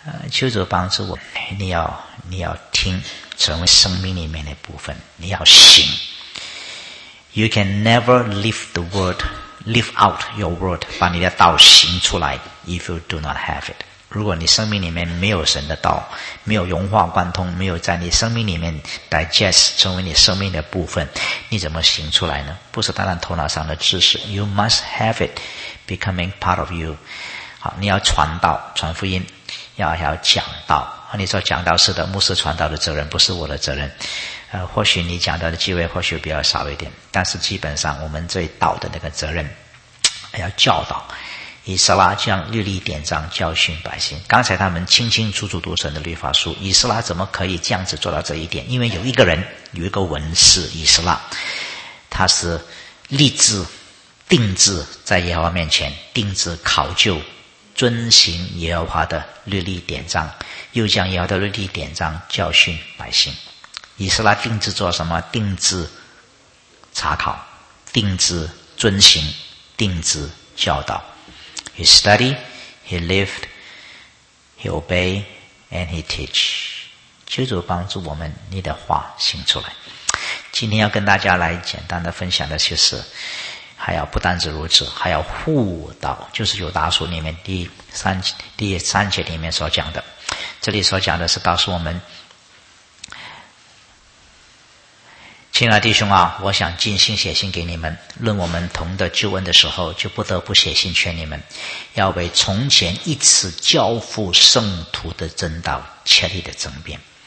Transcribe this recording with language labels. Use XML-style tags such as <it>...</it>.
<zh>求主帮助我，你要听，成为生命里面的部分，你要行。</zh> <en>You can never live the word, live out your word,</en> <zh>把你的道行出来</zh> <en>if you do not have it.</en> <zh>如果你生命里面没有神的道，没有融化贯通，没有在你生命里面 digest, 成为你生命的部分，你怎么行出来呢？不是单单头脑上的知识，</zh> <en>you must have it becoming part of you.</en> <zh>好，你要传道传福音，要讲道。你说讲道是的，牧师传道的责任不是我的责任。或许你讲道的机会或许比较少一点，但是基本上我们对道的那个责任要教导。以斯拉这样律例典章教训百姓，刚才他们清清楚楚读神的律法书，以斯拉怎么可以这样子做到这一点？因为有一个人，有一个文士以斯拉，他是立志定志在耶和华面前，定志考究遵行耶和华的律例典章，又将耶和华的律例典章教训百姓。以斯拉定制做什么？定制查考，定制遵行，定制教导。</zh> <en>He studied, he lived, he obeyed, and he teach.</en> <zh>求主帮助我们，你的话行出来。今天要跟大家来简单的分享的就是，还要不单止如此，还要护道，就是有大书里面第三节里面所讲的。这里所讲的是告诉我们，亲爱弟兄啊，我想尽心写信给你们，论我们同的救恩的时候，就不得不写信劝你们，要为从前一次交付圣徒的真道切立的争辩。</zh>